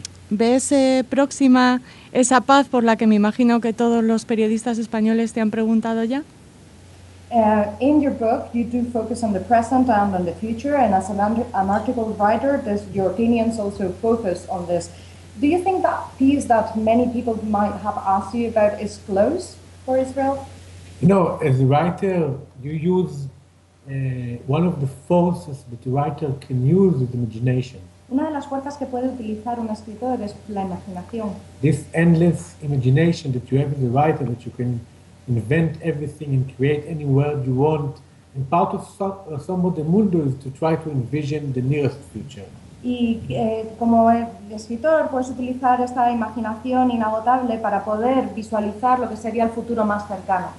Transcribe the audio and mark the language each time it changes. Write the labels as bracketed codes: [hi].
[es] ¿Ves próxima esa paz por la que me imagino que todos los periodistas españoles te han preguntado ya? [en] In your book, you do focus on the present and on the future, and as an article writer, your opinions also focus on this. Do you think that peace that many people might have asked you about is close for Israel? No, as a writer, you use one of the forces that the writer can use is imagination. [es] Una de las fuerzas que puede utilizar un escritor es la imaginación. [en] This endless imagination that you have as a writer, that you can invent everything and create any world you want, and part of some of the mundo is to try to envision the nearest future. [es] Y como escritor puedes utilizar esta imaginación inagotable para poder visualizar lo que sería el futuro más cercano.